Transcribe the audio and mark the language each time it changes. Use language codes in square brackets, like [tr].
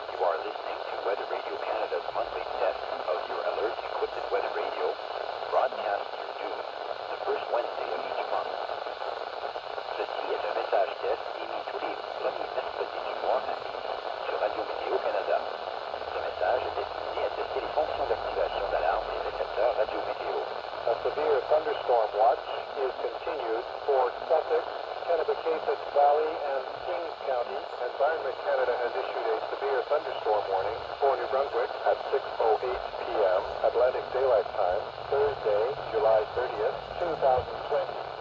[en] You are listening to Weather Radio Canada's monthly test of your alert equipment weather radio, broadcast through June, the first Wednesday of each month. [fr] Ceci est un message test émis tous les premiers mercredis du mois sur Radio Météo Canada. Ce message est destiné à tester les fonctions d'activation d'alarme des récepteurs Radio Météo. [en] A severe thunderstorm watch is continued for Sussex, Kennebecasis Valley, and Kings County. Environment Canada has issued a severe thunderstorm warning for New Brunswick at 6:08 p.m. Atlantic Daylight Time, Thursday, July 30th, 2020.